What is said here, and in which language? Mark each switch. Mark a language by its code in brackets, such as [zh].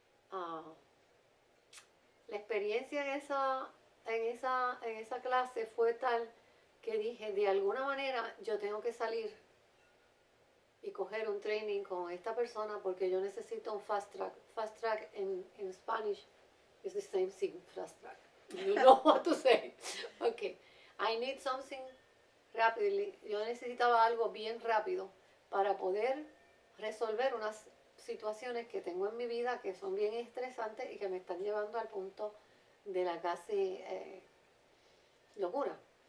[es] La experiencia en esa clase fue tal que dije, de alguna manera yo tengo que salir y coger un training con esta persona porque yo necesito un fast track. [en] Fast track en Spanish is the same thing, fast track. You know what to say. Okay. I need something rapidly. [es] Yo necesitaba algo bien rápido para poder resolver unas situaciones que tengo en mi vida que son bien estresantes y que me están llevando al punto de la casi locura.